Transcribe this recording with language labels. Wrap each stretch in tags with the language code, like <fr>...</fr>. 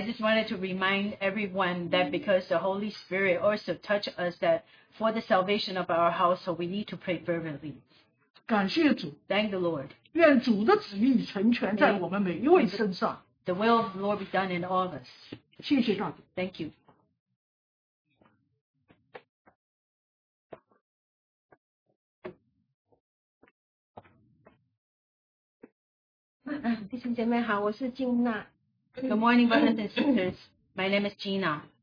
<en>just wanted to remind everyone that because the Holy Spirit also touched us that for the salvation of our household, we need to pray fervently.</en> <zh>感谢主,</zh> <en>thank the Lord.</en> <zh>愿主的旨意成全在我们每一位身上。</zh> <en>The will of the Lord be done in all of us.</en> <zh>谢谢大家。</zh> <en>Thank you. Good morning, brothers and sisters. My name is Gina.</en>